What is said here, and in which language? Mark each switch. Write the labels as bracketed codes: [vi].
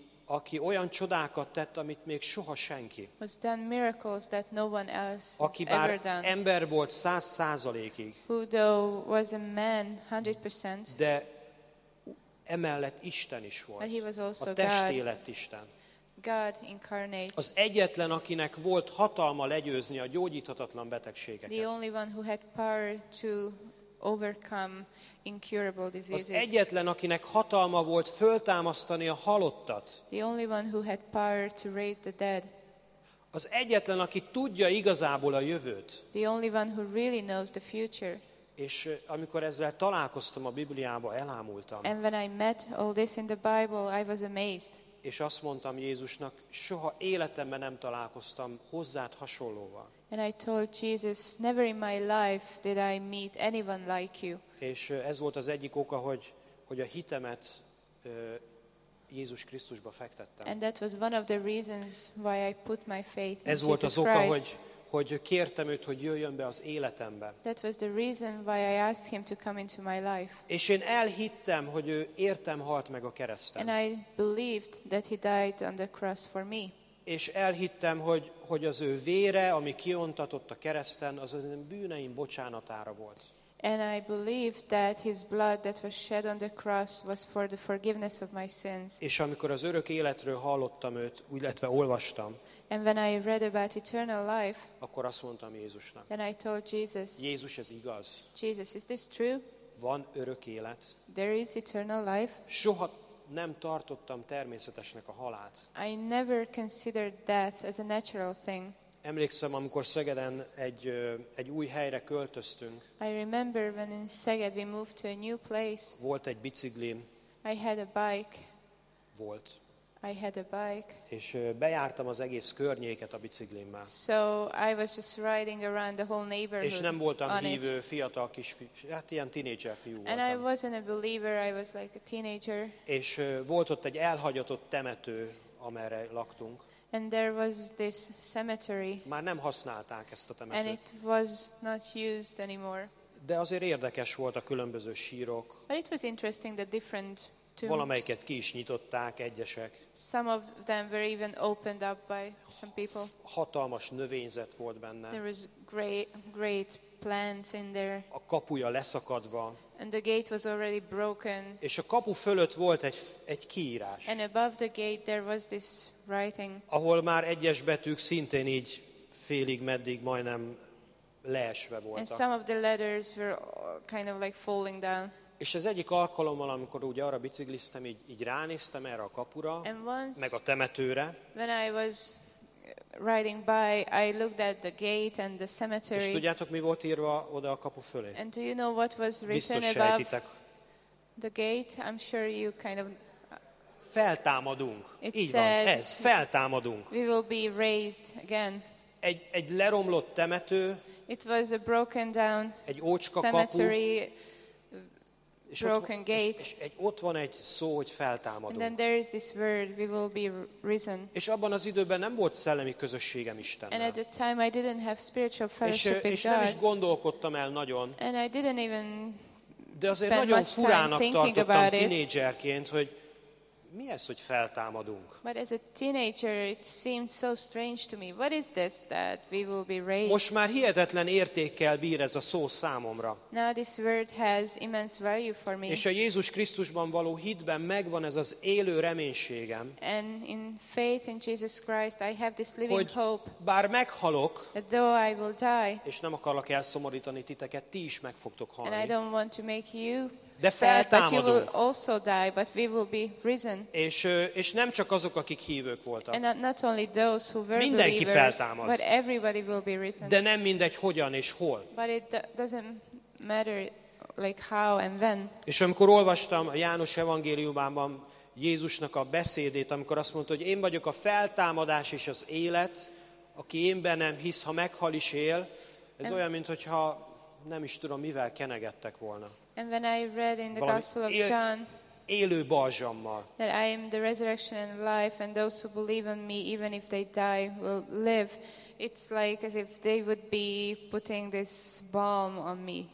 [hu] Aki olyan csodákat tett, amit még soha senki. [en] Has done miracles that no one else has ever done. [hu] Aki bár ember volt 100%-ig. [en] Who though was a man 100%. [hu] De emellett Isten is volt. [en] But he was also [hu] a testélet Isten. [en] God incarnate. [hu] Az egyetlen, akinek volt hatalma legyőzni a gyógyíthatatlan betegségeket. [en] The only one who had power to overcome incurable diseases. [hu] Az egyetlen, akinek hatalma volt föltámasztani a halottat. [en] The only one who had power to raise the dead. [hu] Az egyetlen, aki tudja igazából a jövőt. [en] The only one who really knows the future. [hu] És amikor ezzel találkoztam a Bibliába, elámultam. [en] And when I met all this in the Bible, I was amazed. [hu] És azt mondtam Jézusnak, soha életemben nem találkoztam hozzád hasonlóval. [en] And I told Jesus, never in my life did I meet anyone like you. [hu] És ez volt az egyik oka, hogy a hitemet Jézus Krisztusba fektettem. [en] And that was one of the reasons why I put my faith in Jesus [hu] Ez volt az oka, hogy kértem őt, hogy jöjjön be az életembe. [en] That was the reason why I asked him to come into my life. [hu] És én elhittem, hogy ő értem halt meg a kereszten. [en] And I believed that he died on the cross for me. [hu] És elhittem, hogy az ő vére, ami kiontatott a kereszten, az az én bűneim bocsánatára volt. [en] And I believed that his blood that was shed on the cross was for the forgiveness of my sins. [hu] És amikor az örök életről hallottam őt, illetve olvastam, [en] and when I read about eternal life, [hu] akkor azt mondtam Jézusnak. [en] Then I told Jesus. [hu] Jézus, ez igaz. [en] Jesus, is this true? [hu] Van örök élet. [en] There is eternal life. [hu] Soha nem tartottam természetesnek a halált. [en] I never considered death as a natural thing. [hu] Emlékszem, amikor Szegeden egy új helyre költöztünk. [en] I remember when in Szeged we moved to a new place. [hu] Volt egy biciklim. [en] I had a bike. [hu] Volt. [en] I had a bike. [hu] És bejártam az egész környéket a biciklimmel. [en] So I was just riding around the whole neighborhood. [hu] És nem voltam hívő, fiatal kis hát ilyen tínédzser fiú voltam. [en] And I wasn't a believer, I was like a teenager. [hu] És volt ott egy elhagyatott temető, amerre laktunk. [en] And there was this cemetery. [hu] Már nem használták ezt a temetőt. [en] And it was not used anymore. [hu] De azért érdekes volt a különböző sírok. [en] But it was interesting the different. [hu] Valamelyiket ki is nyitották egyesek. [en] Some of them were even opened up by some people. [hu] Hatalmas növényzet volt benne. [en] There was great plants in there. [hu] A kapuja leszakadva. [en] And the gate was already broken. [hu] És a kapu fölött volt egy kiírás. [en] And above the gate there was this writing. [hu] Ahol már egyes betűk szintén így félig meddig majdnem leesve voltak. [en] And some of the letters were kind of like falling down. [hu] És az egyik alkalommal, amikor úgy arra bicikliztem, így ránéztem erre a kapura, [en] once, [hu] meg a temetőre. [en] When I was riding by, I looked at the gate and the cemetery. [hu] És tudjátok, mi volt írva oda a kapu fölé? [en] And do you know what was written above the gate? I'm sure you kind of. [hu] Feltámadunk. [en] It [hu] így [en] said, [hu] van, ez, feltámadunk. [en] We will be raised again. [hu] Egy leromlott temető. [en] It was a broken down [hu] egy ócska [en] cemetery, [hu] kapu. És [en] broken gate. [hu] Ott van egy szó, hogy feltámadunk. [en] And then there is this word, we will be risen. [hu] És abban az időben nem volt szellemi közösségem Istennel. [en] And at the time I didn't have spiritual fellowship with God. [hu] És nem is gondolkodtam el nagyon. [en] And I didn't even. [hu] De azért nagyon furának tartottam tinédzserként, hogy mi ez, hogy feltámadunk? [en] But as a teenager it seemed so strange to me. What is this that we will be raised? [hu] Most már hihetetlen értékkel bír ez a szó számomra. [en] Now this word has immense value for me. [hu] És a Jézus Krisztusban való hitben megvan ez az élő reménységem. [en] And in faith in Jesus Christ I have this living hope. [hu] Bár meghalok, [en] though I will die. [hu] És nem akarlak elszomorítani titeket, ti is meg fogtok halni. [en] And I don't want to make you [hu] de feltámadunk. [en] But you will also die, but we will be risen. [hu] És nem csak azok, akik hívők voltak. [en] And not only those who were [hu] mindenki [en] believers, [hu] feltámad. [en] But everybody will be risen. [hu] De nem mindegy, hogyan és hol. [en] But it doesn't matter like how and when. [hu] És amikor olvastam a János evangéliumában Jézusnak a beszédét, amikor azt mondta, hogy én vagyok a feltámadás és az élet, aki én bennem hisz, ha meghal is él, ez olyan, mintha nem is tudom, mivel kenegettek volna. [en] And when I read in the Gospel of John, [hu] élő balzsammal. [en] That I am the resurrection and life, and those who believe in me, even if they die, will live. It's like as if they would be putting this balm on me.